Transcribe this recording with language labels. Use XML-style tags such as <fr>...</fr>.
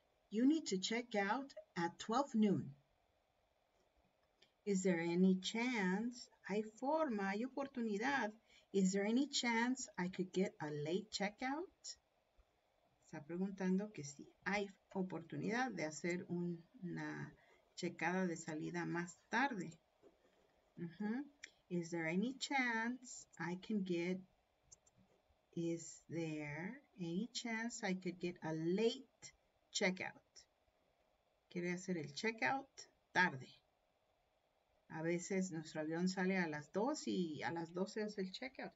<en>You need to check out at 12 noon. Is there any chance?</en> <es>Hay forma, hay oportunidad.</es> <en>Is there any chance I could get a late checkout?</en> <es>Está preguntando que si hay oportunidad de hacer una checada de salida más tarde.</es> <en>Is there any chance I can get? Is there any chance I could get a late checkout?</en> <es>Quiere hacer el checkout tarde. A veces nuestro avión sale a las 2 y a las 12 es el checkout.</es>